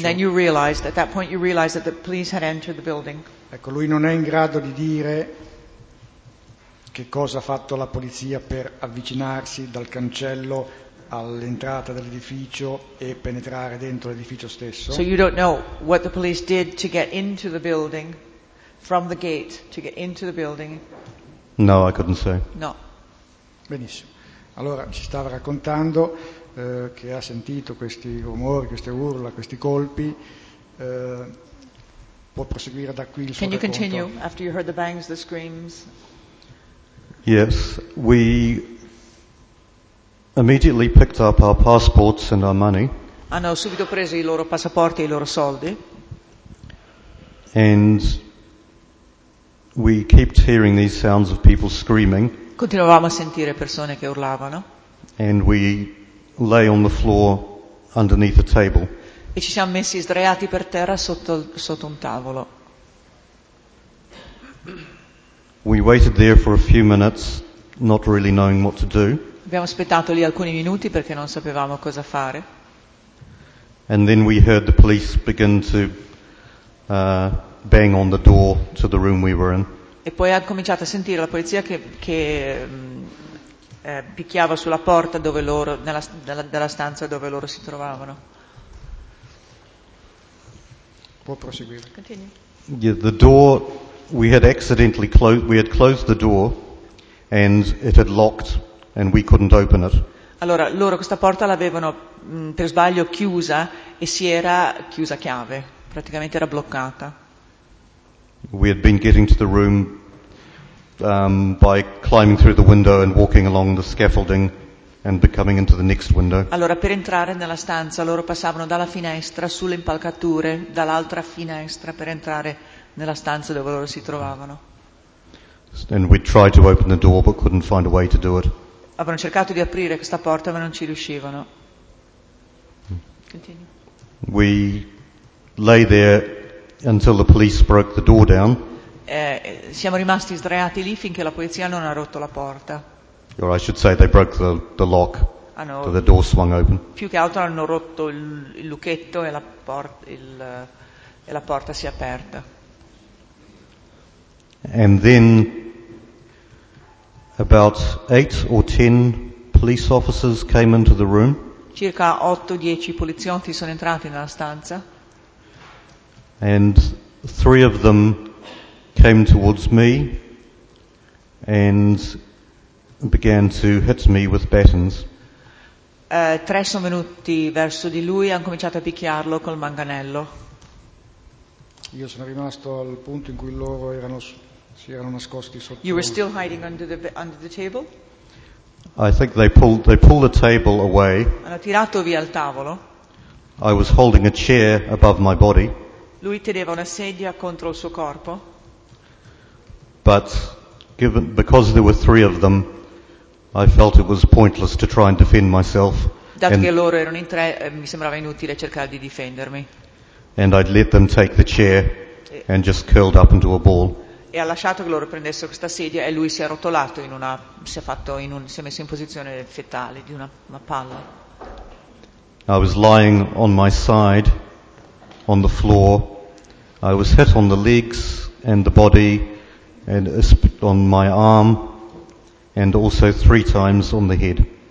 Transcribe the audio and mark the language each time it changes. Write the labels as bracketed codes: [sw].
[en] And then you realized at that point you realized that the police had entered the building. [it] Ecco, lui non è in grado di dire che cosa ha fatto la polizia per avvicinarsi dal cancello all'entrata dell'edificio e penetrare dentro l'edificio stesso. [en] So you don't know what the police did to get into the building. From the gate to get into the building. No, I couldn't say. No. [it] Benissimo. Allora ci stava raccontando che ha sentito questi rumori, queste urla, questi colpi. Può proseguire da qui il suo racconto. [en] Can you continue after you heard the bangs, the screams? Yes, we immediately picked up our passports and our money. [it] Hanno subito preso i loro passaporti e i loro soldi. [en] And we kept hearing these sounds of people screaming. [it] Continuavamo a sentire persone che urlavano. [en] And we lay on the floor underneath a table. [it] E ci siamo messi sdraiati per terra sotto un tavolo. [en] We waited there for a few minutes, not really knowing what to do. [it] Abbiamo aspettato lì alcuni minuti perché non sapevamo cosa fare. [en] And then we heard the police begin to bang on the door to the room we were in. [it] E poi ha cominciato a sentire la polizia che picchiava sulla porta dove loro nella stanza dove loro si trovavano. Può proseguire. [en] Continue. Yeah, the door we had accidentally closed the door and it had locked and we couldn't open it. [it] Allora, loro questa porta l'avevano per sbaglio chiusa e si era chiusa a chiave, praticamente era bloccata. [en] We had been getting to the room by climbing through the window and walking along the scaffolding and becoming into the next window. [it] Allora, per entrare nella stanza, loro passavano dalla finestra sulle impalcature, dall'altra finestra per entrare nella stanza dove loro si trovavano. [en] And we tried to open the door but couldn't find a way to do it. [it] Avevano cercato di aprire questa porta ma non ci riuscivano. [en] Continue. We lay there until the police broke the door down. [it] Siamo rimasti sdraiati lì finché la polizia non ha rotto la porta. [en] Or I should say they broke the lock. [it] Hanno, [en] so the door swung open. [it] Più che altro hanno rotto il lucchetto e la porta si è aperta. [en] And then about 8 or 10 police officers came into the room. [it] Circa 8-10 poliziotti sono entrati nella stanza. [en] And 3 of them came towards me and began to hit me with batons. [it] 3 sono venuti verso di lui e hanno cominciato a picchiarlo col manganello. Io sono rimasto al punto in cui loro erano si erano nascosti sotto. [en] You were still hiding under the table? I think they pulled the table away. [it] Hanno tirato via il tavolo. [en] I was holding a chair above my body. [it] Lui teneva una sedia contro il suo corpo. [en] But given because there were 3 of them, I felt it was pointless to try and defend myself. [it] Dato che loro erano in 3, mi sembrava inutile cercare di difendermi. [en] And I'd let them take the chair and just curled up into a ball. [it] E ha lasciato che loro prendessero questa sedia e lui si è rotolato in una si è messo in posizione fetale di una palla. [en] I was lying on my side on the floor. I was hit on the legs and the body and on my arm and also 3 times on the head.